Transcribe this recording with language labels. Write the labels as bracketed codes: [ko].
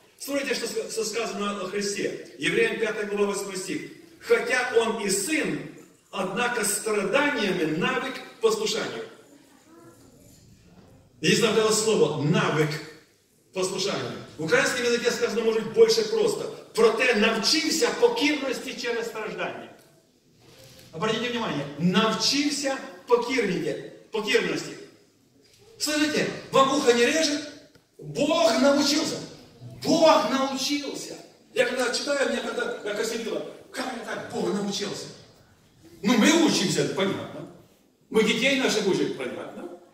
[ru] Смотрите, что сказано о Христе. Евреям 5 глава 8 стих. Хотя он и сын, однако страданиями навык послушанию. Я не знаю, это слово, навык послушанию. В украинском языке сказано, может быть, больше просто. [uk] Проте навчився покірності через страждання. [ru] Обратите внимание, [uk] навчився покірності. [ru] Слышите, вам ухо не режет? Бог научился. Бог научился. Я когда читаю, мне когда я косилила, как это так, Бог научился? Ну мы учимся, понятно. Мы детей наших учим, понятно.